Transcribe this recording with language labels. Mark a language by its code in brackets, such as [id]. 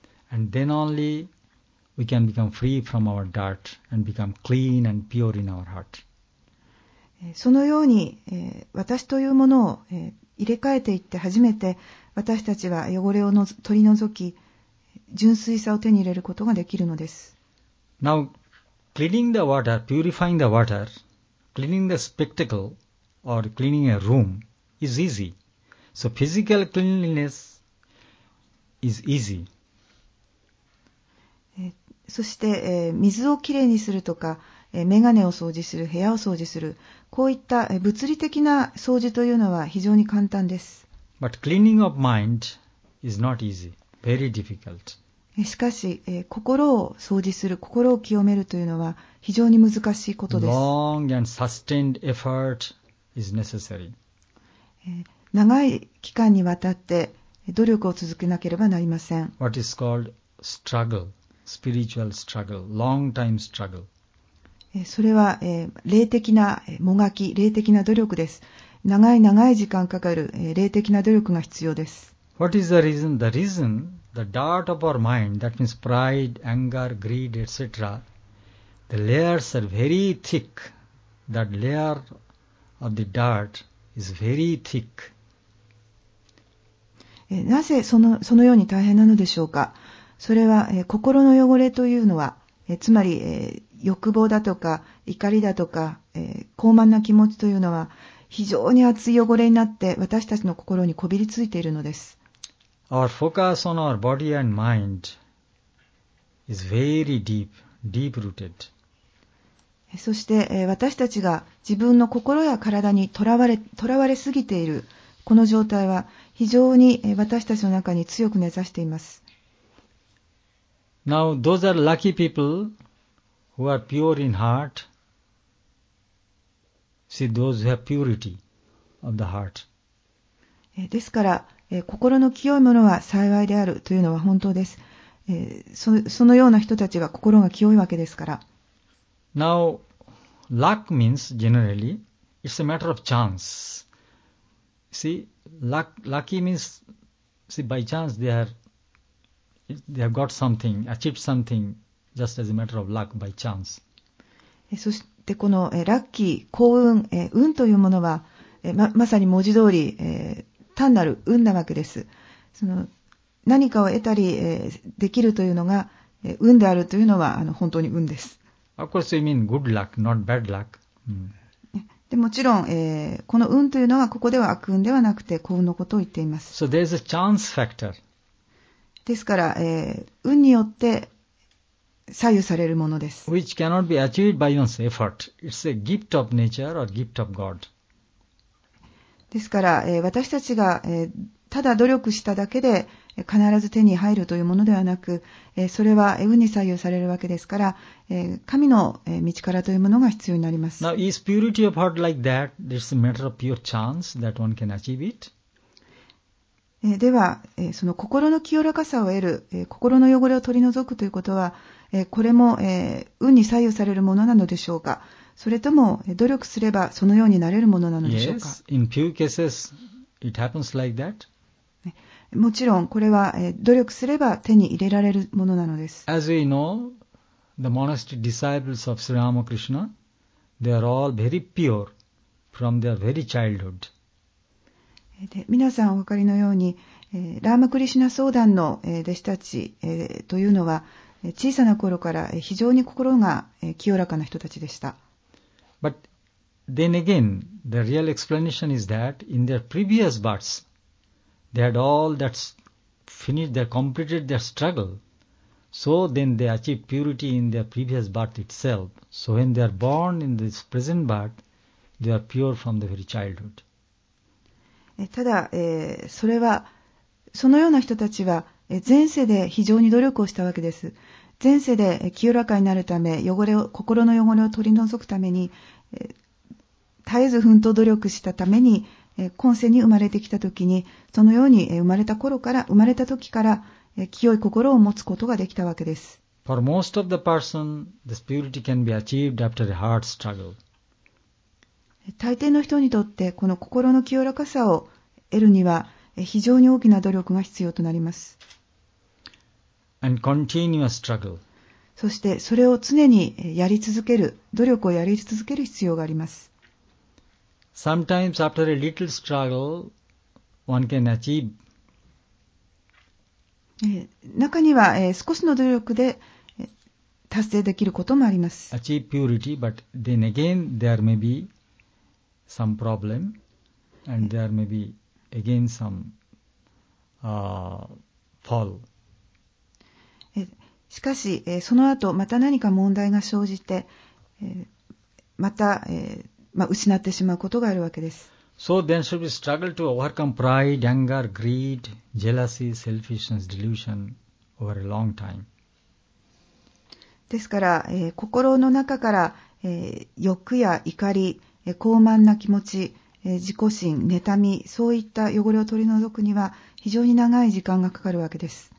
[en] And then only we can become free from our dirt and become clean and pure in our heart. [ja] そのように私というものを入れ替えていって初めて私たちは汚れを取り除き純粋さを手に入れることができるのです。 [en] Now cleaning the water, purifying the waterCleaning the spectacle or cleaning a room is easy. So physical cleanliness is easy. [ja] そして水をきれいにするとか、メガネを掃除する、部屋を掃除する、こういった物理的な掃除というのは非常に簡単です。 [en] But cleaning of mind is not easy. Very difficult. [ja] しかし、心を掃除する、心を清めるというのは非常に難しいことです。 [en] Long and sustained effort is necessary. [ja] 長い期間にわたって努力を続けなければなりません。 [en] What is called struggle, spiritual struggle, long time struggle. [ja] それは霊的なもがき、霊的な努力です。長い長い時間かかる霊的な努力が必要です。 [en] What is the reason? The reason, the dirt of our mind, that means pride, anger, greed, etc. The layers are very thick. That layer of the dirt is very thick. [ja] なぜそのように大変なのでしょうか。それは心の汚れというのは、つまり欲望だとか怒りだとか傲慢な気持ちというのは非常に厚い汚れになって私たちの心にこびりついているのです。 [en] Our focus on our body and mind is very deep, deep rooted. [ja] そして私たちが自分の心や体にとらわれすぎているこの状態は非常に私たちの中に強く根ざしています。 [en] Now those are lucky people who are pure in heart. See those who have purity of the heart. [ja] ですから心の清いものは幸いであるというのは本当です。そのような人たちは心が清いわけですから。 [en] Now, luck means generally it's a matter of chance. See, lucky means see by chance they have got something, achieved something, just as a matter of luck by chance. [ja] そしてこのラッキー、幸運、運というものは まさに文字通り単なる運なわけです。その何かを得たりできるというのが運であるというのは本当に運です。 [en] Of course, you mean good luck, not bad luck.、 [ja] でもちろん、この運というのはここでは悪運ではなくて幸運のことを言っています。 [en] So there's a chance factor. [ja] ですから、運によって左右されるものです。 [en] Which cannot be achieved by one's effort. It's a gift of nature or gift of God. [ja] ですから、私たちが、ただ努力しただけで必ず手に入るというものではなく、それは運に左右されるわけですから、神の道からというものが必要になります。 [en] Now, is purity of heart like that? It's a matter of pure chance that one can achieve it? [ja] では、その心の清らかさを得る、心の汚れを取り除くということは、これも、運に左右されるものなのでしょうか、それとも、努力すればそのようになれるものなのでしょうか。 [en] Yes, in few cases, it happens like that. [ja] もちろん、これは、努力すれば手に入れられるものなのです。 [en] As we know, the monastic disciples of Sri Ramakrishna, they are all very pure from their very childhood. [ja] で皆さんお分かりのように、ラーマクリシュナ僧団の弟子たち、というのは小さな頃から非常に心が清らかな人たちでした。 [en] But then again, the real explanation is that in their previous births, they had all that finished, they completed their struggle. So then they achieved purity in their previous birth itself. So when they are born in this present birth, they are pure from the very childhood. [ja] ただ、それはそのような人たちは、前世で非常に努力をしたわけです。前世で清らかになるため、汚れを心の汚れを取り除くために、絶えず奮闘努力したために、今世に生まれてきたときに、そのように生まれたときから、清い心を持つことができたわけです。 [en] For most of the person, this purity can be achieved after a hard struggle. [ja] 大抵の人にとって、この心の清らかさを得るには、非常に大きな努力が必要となります。 [en] And continuous struggle. [ja] そして、それを常にやり続ける、努力をやり続ける必要があります。 [en] Sometimes after a little struggle, one can achieve. [ja] 中には、少しの努力で、達成できることもあります。 [en] Achieve purity, but then again, there may be... Some problem, and there may be again some, fall. [ja] しかし、その後また何か問題が生じて、また、失ってしまうことがあるわけです。 [en] So there should be struggle to overcome pride, anger, greed, jealousy, selfishness, delusion over a long time. [ja] ですから、心の中から、欲や怒り、傲慢な気持ち、自己心、妬み、そういった汚れを取り除くには非常に長い時間がかかるわけです。